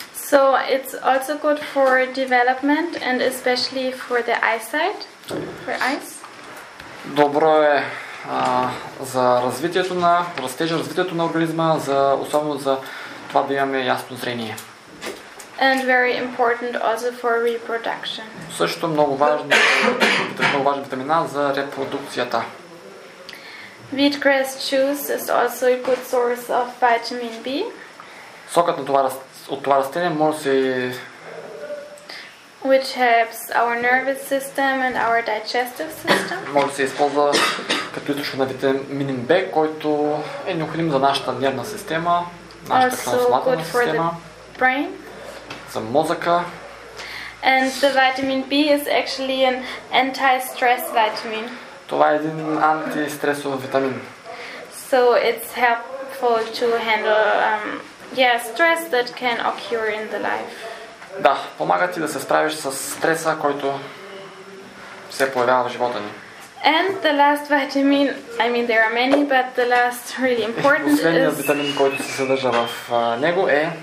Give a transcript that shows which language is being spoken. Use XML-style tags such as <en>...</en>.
<en>So it's also good for development and especially for the eyesight, for eyes.</en> <bg>Добро е за развитието на растежа, развитието на организма, за особено за това да имаме ясно зрение.</bg> <en>And very important also for reproduction.</en> <bg>Също много важно, много важна витамина за репродукцията.</bg> <en>Wheatgrass juice is also a good source of vitamin B.</en> <bg>Сокът на това растение от това растение може да се</bg> <en>which helps our nervous system and our digestive system.</en> <bg>Може да се използва като източник на витамин B, който е необходим за нашата нервна система, нашата хранителна система,</bg> <en>brain.</en> <bg>За мозъка.</bg> <en>And the vitamin B is actually an anti-stress vitamin.</en> <bg>Това е един антистресов витамин.</bg> <en>So it's helpful to handle yeah, stress that can occur in the life.</en> <bg>Да, помага ти да се справиш с стреса, който се появява в живота ни.</bg> <en>And the last vitamin, I mean there are many, but the last really important is</en> <bg>последният витамин, който се съдържа в него е</bg>